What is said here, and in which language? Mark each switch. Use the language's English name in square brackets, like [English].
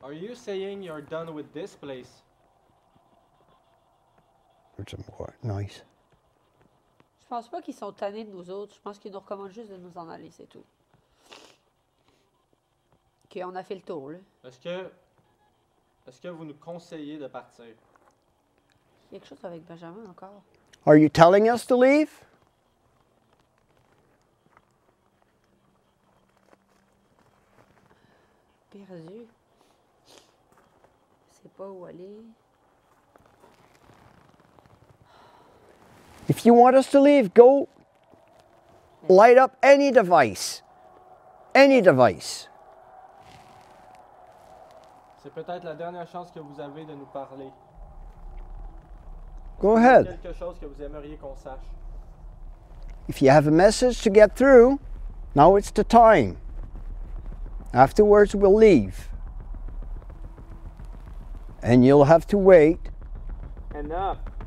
[English] Are you saying you're done with this place? It's more nice. [French] Je pense pas qu'ils sont tannés de nous autres. Je pense qu'ils nous recommandent juste de nous en aller, c'est tout. Ok, on a fait le tour, là. Est-ce que vous nous conseillez de partir? Quelque chose avec Benjamin encore. [English] Are you telling us to leave? [French] Perdu. Je sais pas où aller. [English] If you want us to leave, go light up any device. Any device. [French] C'est peut-être la dernière chance que vous avez de nous parler. [English] Go ahead. [French] Quelque chose que vous aimeriez qu'on sache. [English] If you have a message to get through, now it's the time. Afterwards, we'll leave. And you'll have to wait. Enough.